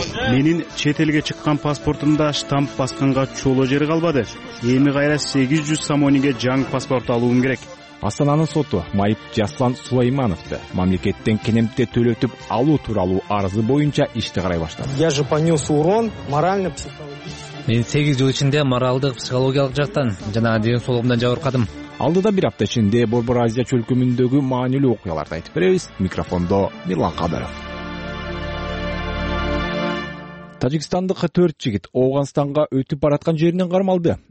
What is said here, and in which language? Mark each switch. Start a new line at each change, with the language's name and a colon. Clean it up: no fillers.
Kyrgyz: Менин чет элге чыккан паспортумда штамп басканга чоло жери калбады. Эми кайра 800 самониге жаңы паспорт алуум керек. Астананын соту Майып Жаслан Сулаймановду мамлекеттен кенемте төлөтүп алуу тууралуу арызы боюнча ишти карай баштады.
Russian: Я же понес урон морально психологический.
Kyrgyz: Мен 8 жыл ичинде моралдык, психологиялык жактан жана ден соолугумдан жабыркадым. Алдыда бир апта ичинде Борбор Азия чөлкөмүндөгү маанилүү окуяларды айтып беребиз. Микрофондо Мирлан Кадыров. Тажикстандык 4 жигит Ооганстанга өтүп бараткан жеринен кармалды.